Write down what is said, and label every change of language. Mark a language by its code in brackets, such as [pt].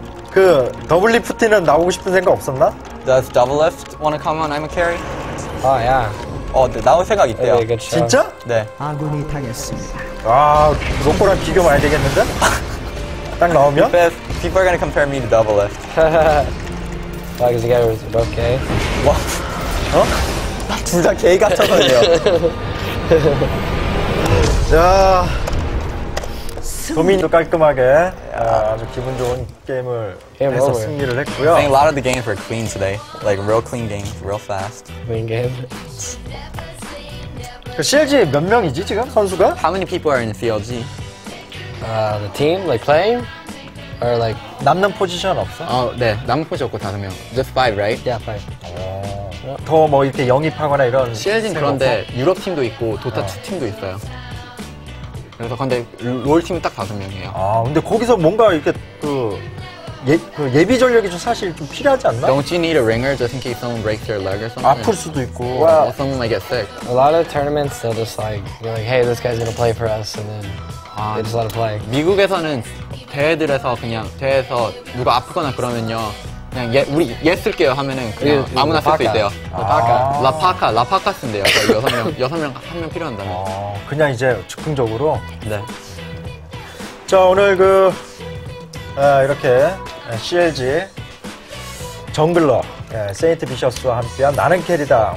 [ko] 그 더블 리프트는 나오고 싶은 생각 없었나? [en] Does double lift wanna come on? I'm a carry. Oh yeah. [ko] 어, 네, 나올 생각 있대요. 진짜? 네. 아군이 타겠습니다. 아, 로코랑 비교 봐야 되겠는데? 딱 나오면? [en] People are gonna compare me to double lift. [ko] 아, 그 자기가 [en] was both gay. [ko] 와, 어? 둘 다 게이 같아서요. 자, 도민도 깔끔하게 아주 기분 좋은 게임을 [en] game [ko] 해서 [en] over. [ko] 승리를 했고요. [en] I think a lot of the games were clean today. Like real clean games, real fast. Clean game. [ko] 그 CLG 몇 명이지 지금 선수가? [en] How many people are in CLG? The team, like playing? Or like [ko] 남는 포지션 없어? 어, 네, 남는 포지션 없고 다섯 명. [en] Just five, right? Yeah, five. [ko] 더 뭐 이렇게 영입하거나 이런 CLG는 그런데 유럽 팀도 있고 도타 2 팀도 있어요. 그래서 근데 롤 팀은 딱 다섯 명이에요. 아, 근데 거기서 뭔가 이렇게 그 예비 전력이 좀 사실 좀 필요하지 않나? [en] Don't you need a ringer just in case someone breaks their leg or something? [ko] 아플 수도 있고. [en] Well, someone might get sick. A lot of tournaments they'll just like be like, hey, this guy's gonna play for us, and then they just let him play. [ko] 미국에서는 대회들에서 그냥 대회에서 누가 아프거나 그러면요. 그냥 우리 예 쓸게요 하면은 그냥 아무나 쓸 수 있대요. 라파카. 라파카 쓴대요. 6명. 6명 1명 필요한다면. 그냥 이제 즉흥적으로. 네. 자, 오늘 그 이렇게 CLG 정글러 세인트 비셔스와 함께한 나는 캐리다.